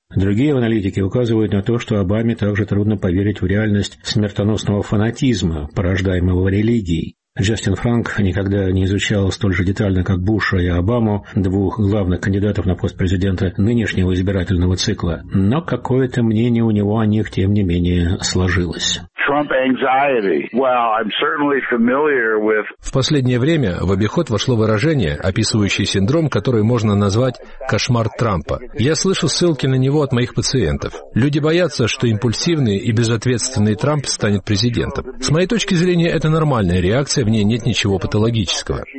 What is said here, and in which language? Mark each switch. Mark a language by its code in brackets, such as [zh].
[ru] Другие аналитики указывают на то, что Обаме также трудно поверить в реальность смертоносного фанатизма, порождаемого религией. Джастин Франк никогда не изучал столь же детально, как Буша и Обаму, двух главных кандидатов на пост президента нынешнего избирательного цикла, но какое-то мнение у него о них, тем не менее, сложилось. [en] Trump anxiety. Well, I'm certainly familiar with... [ru] В последнее время в обиход вошло выражение, описывающее синдром, который можно назвать «кошмар Трампа». Я слышу ссылки на него от моих пациентов. Люди боятся, что импульсивный и безответственный Трамп станет президентом. С моей точки зрения, это нормальная реакция, в ней нет ничего патологического.